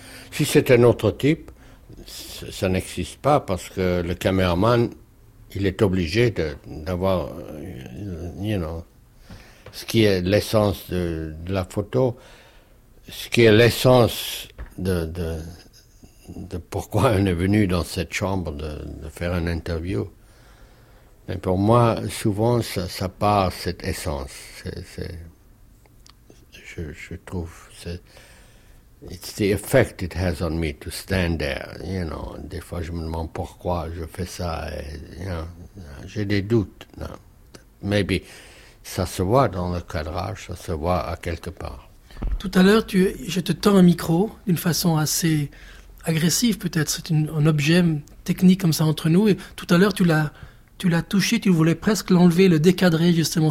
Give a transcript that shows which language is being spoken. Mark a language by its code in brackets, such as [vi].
[fr] Si c'est un autre type, ça n'existe pas parce que le caméraman, il est obligé d'avoir, you know, ce qui est l'essence de la photo, ce qui est l'essence de pourquoi on est venu dans cette chambre de faire une interview. Mais pour moi, souvent, ça part cette essence. Je trouve... [en] It's the effect it has on me to stand there, you know. [fr] Des fois, je me demande pourquoi je fais ça. Et, you know, j'ai des doutes. No. Maybe ça se voit dans le cadrage, ça se voit à quelque part. Tout à l'heure, je te tends un micro d'une façon assez agressive, peut-être. C'est un objet technique comme ça entre nous. Et tout à l'heure, tu l'as touché, tu voulais presque l'enlever, le décadrer, justement.